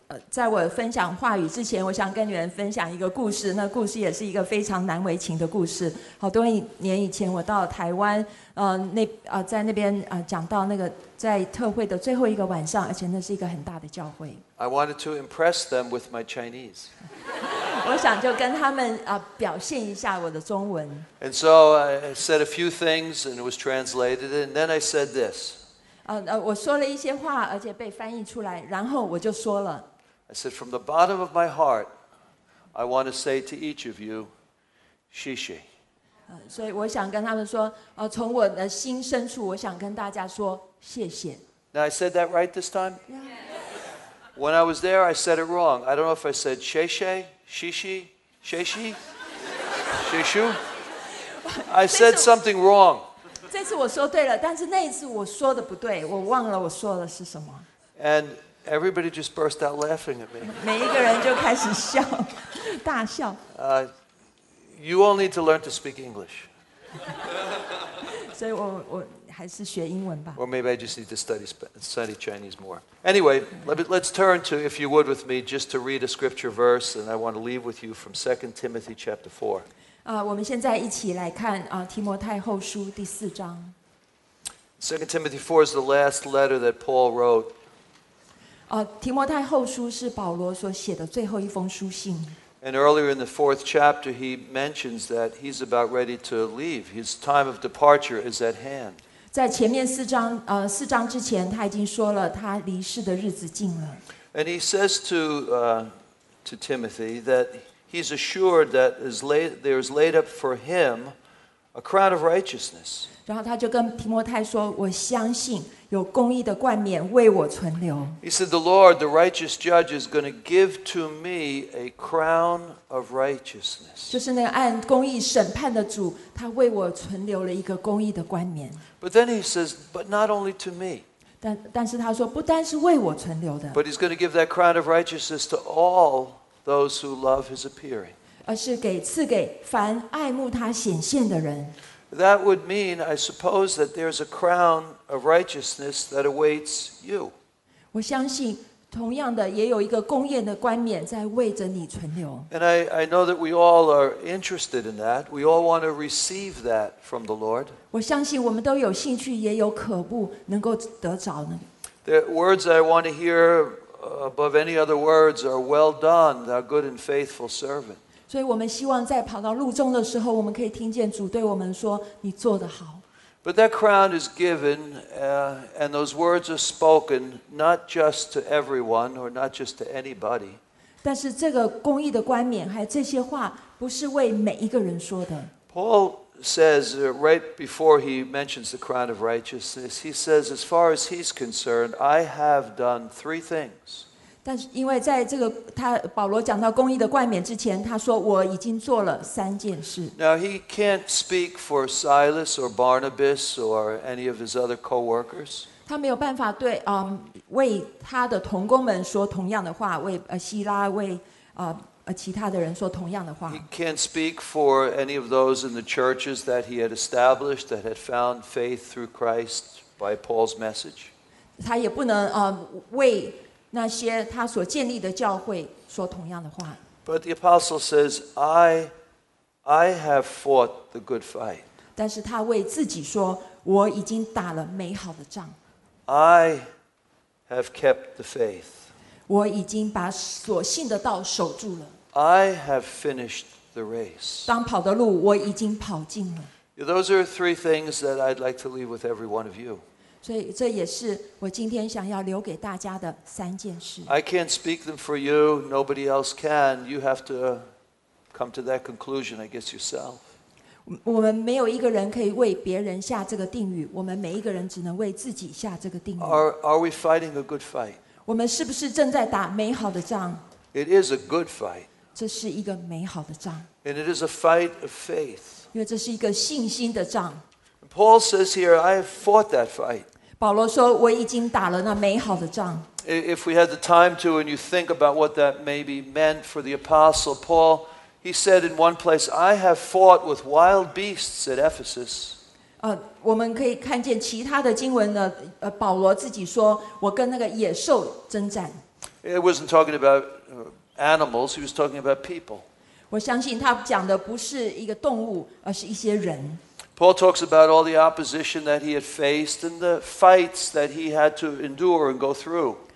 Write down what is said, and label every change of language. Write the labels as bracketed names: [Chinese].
[Chinese] 在我分享话语之前，我想跟你们分享一个故事。那故事也是一个非常难为情的故事。好多年以前，我到台湾，在那边讲到那个在特会的最后一个晚上，而且那是一个很大的教会。 [English] I wanted to impress them with my Chinese. [Chinese] 我想就跟他们表现一下我的中文。 [English] And so I said a few things, and it was translated, and then I said this. [Chinese] 我说了一些话，而且被翻译出来，然后我就说了。 [English] I said, from the bottom of my heart, I want to say to each of you, Shishi. [Chinese] 所以我想跟他们说，从我的心深处，我想跟大家说谢谢。 [English] Now I said that right this time? Yeah. When I was there, I said it wrong. I don't know if I said Shishi, Shishi, Shishi, Shishu. I said something wrong. [Chinese] 这次我说对了，但是那一次我说的不对，我忘了我说的是什么。 [English] And everybody just burst out laughing at me. [Chinese] 每一个人就开始笑，大笑。 [English] You all need to learn to speak English. [Chinese] 所以我还是学英文吧。 [English] Or maybe I just need to study Chinese more. Anyway, let's turn to, if you would with me, just to read a scripture verse, and I want to leave with you from 2 Timothy chapter 4. [Chinese] 我们现在一起来看提摩太后书第四章。 [English] 2 Timothy 4 is the last letter that Paul wrote. [Chinese] 提摩太后书是保罗所写的最后一封书信。 [English] And earlier in the fourth chapter, he mentions that he's about ready to leave. His time of departure is at hand. [Chinese] 在前面四章之前，他已经说了他离世的日子近了。 [English] And he says to Timothy that. He's assured that there is laid up for him a crown of righteousness. [Chinese] 然后他就跟提摩太说，我相信有公义的冠冕为我存留。 [English] He said, the Lord, the righteous judge, is going to give to me a crown of righteousness. [Chinese] 就是那个按公义审判的主，他为我存留了一个公义的冠冕。 [English] But then he says, but not only to me. [Chinese] 但是他说，不单是为我存留的。 [English] But he's going to give that crown of righteousness to all. Those who love his appearing. [Chinese] 而是给赐给凡爱慕他显现的人。 [English] That would mean, I suppose, that there's a crown of righteousness that awaits you. [Chinese] 我相信同样的也有一个公义的冠冕在为着你存留。 [English] And I know that we all are interested in that. We all want to receive that from the Lord. [Chinese] 我相信我们都有兴趣也有渴慕能够得着呢。 [English] The words I want to hear. Above any other words are well done, thou good and faithful servant. [Chinese] 所以我们希望在跑到路中的时候，我们可以听见主对我们说，你做得好。 [English] But that crown is given, and those words are spoken not just to everyone or not just to anybody. [Chinese] 但是这个公义的冠冕还有这些话不是为每一个人说的。 [English] Paul says, right before he mentions the crown of righteousness, he says, as far as he's concerned, I have done three things. [Chinese] 但是因为在这个他保罗讲到公义的冠冕之前，他说我已经做了三件事。 [English] Now he can't speak for Silas or Barnabas or any of his other co-workers. [Chinese] 他没有办法对为他的同工们说同样的话，为希拉为其他的人说同样的话。 [English] He can't speak for any of those in the churches that he had established that had found faith through Christ by Paul's message. [Chinese] 他也不能为那些他所建立的教会说同样的话。 [English] But the apostle says, I have fought the good fight. [Chinese] 但是他为自己说，我已经打了美好的仗。 [English] I have kept the faith. [Chinese] 我已经把所信的道守住了。 [English] I have finished the race. [Chinese] 当跑的路我已经跑尽了。 [English] Those are three things that I'd like to leave with every one of you. [Chinese] 所以这也是我今天想要留给大家的三件事。 [English] I can't speak them for you. Nobody else can. You have to come to that conclusion, I guess, yourself. [Chinese] 我们没有一个人可以为别人下这个定语。我们每一个人只能为自己下这个定语。 [English] Are we fighting a good fight? [Chinese] 我们是不是正在打美好的仗 [English] ？It is a good fight. [Chinese] 这是一个美好的仗。 [English] And it is a fight of faith. [Chinese] 因为这是一个信心的仗。 [English] Paul says here, I have fought that fight. [Chinese] 保罗说，我已经打了那美好的仗。 [English] If we had the time to, and you think about what that maybe meant for the Apostle Paul, he said in one place, I have fought with wild beasts at Ephesus. [Chinese] 我们可以看见其他的经文呢，保罗自己说，我跟那个野兽征战。 [English] He wasn't talking about animals, he was talking about people. [Chinese] 我相信他讲的不是一个动物，而是一些人。 [English] Paul talks about all the opposition that he had faced and the fights that he had to endure and go through.